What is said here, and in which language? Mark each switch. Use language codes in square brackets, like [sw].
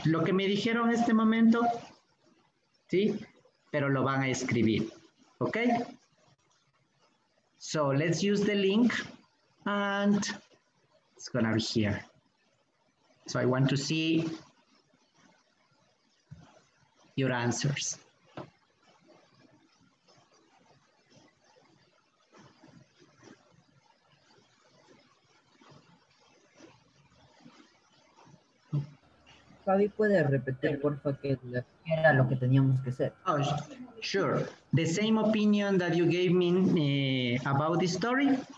[es] Lo que me dijeron en este momento, ¿sí? Pero lo van a escribir, ¿ok? [en] So let's use the link and it's gonna be here. So I want to see your answers. [es] Fabi, ¿puede repetir, porfa, que era lo que teníamos que hacer? [en] Oh, sure. The same opinion that you gave me about the story.